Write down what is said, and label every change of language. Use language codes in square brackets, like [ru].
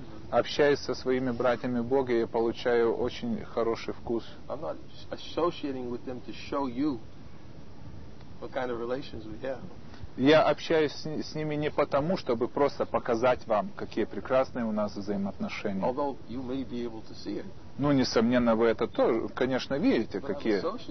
[ru] Общаясь со своими братьями в Боге, я получаю очень хороший вкус. [en] I'm not associating with them to show you what kind of relations we have. [ru] Я общаюсь с ними не потому, чтобы просто показать вам, какие прекрасные у нас взаимоотношения. Ну, несомненно, вы это тоже, конечно, видите, какие.